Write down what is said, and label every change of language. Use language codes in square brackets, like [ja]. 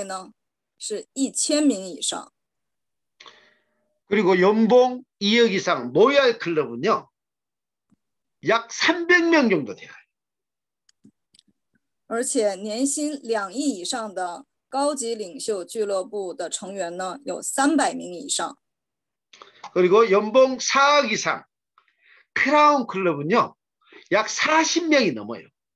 [zh] 大家有好听。那在爱多美达到两兆的销售额的时候，爱多美里面年薪1亿的事业者有多少位呢？是1000名以上。 [ko] 그리고 연봉 2억 이상 모야의 클럽은요, 약 300명 정도 돼요. [zh] 而且年薪2亿以上的高级领袖俱乐部的成员呢，有300名以上。 [ko] 그리고 연봉 4억 이상 크라운 클럽은요, 약 40명이 넘어요.